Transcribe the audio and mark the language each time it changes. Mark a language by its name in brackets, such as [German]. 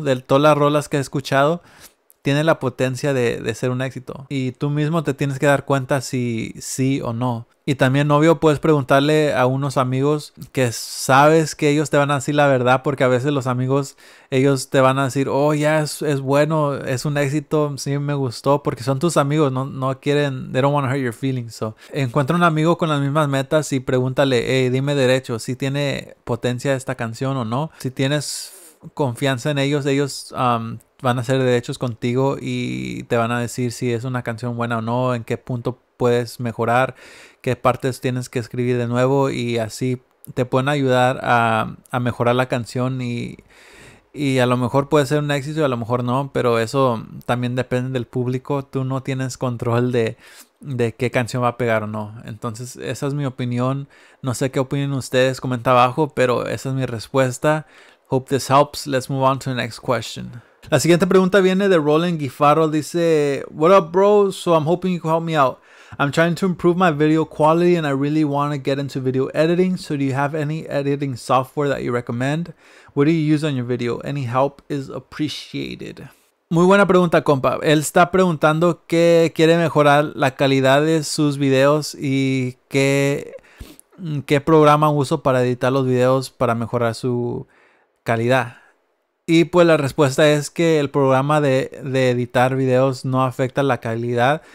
[Spanish] De todas las rolas que he escuchado, tiene la potencia de ser un éxito. Y tú mismo te tienes que dar cuenta si sí o no. Y también, obvio, puedes preguntarle a unos amigos que sabes que ellos te van a decir la verdad. Porque a veces los amigos, ellos te van a decir, oh, ya, es bueno, es un éxito, sí, me gustó. Porque son tus amigos, no quieren, [English] they don't want to hurt your feelings. [Spanish] So, encuentra un amigo con las mismas metas y pregúntale, hey, dime derecho, si tiene potencia esta canción o no. Si tienes confianza en ellos van a ser derechos contigo y te van a decir si es una canción buena o no, en qué punto puedes mejorar, qué partes tienes que escribir de nuevo, y así te pueden ayudar a mejorar la canción, y a lo mejor puede ser un éxito y a lo mejor no, pero eso también depende del público. Tú no tienes control de qué canción va a pegar o no. Entonces esa es mi opinión. No sé qué opinen ustedes, comenta abajo, pero esa es mi respuesta. [English] Hope this helps. Let's move on to the next question. [Spanish] La siguiente pregunta viene de Roland Guifarro. [English] Dice, what up, bro? So I'm hoping you can help me out. I'm trying to improve my video quality and I really want to get into video editing. So do you have any editing software that you recommend? What do you use on your video? Any help is appreciated. [Spanish] Muy buena pregunta, compa. Él está preguntando qué quiere mejorar la calidad de sus videos y qué programa uso para editar los videos para mejorar su calidad. Y pues la respuesta es que el programa de editar videos no afecta la calidad.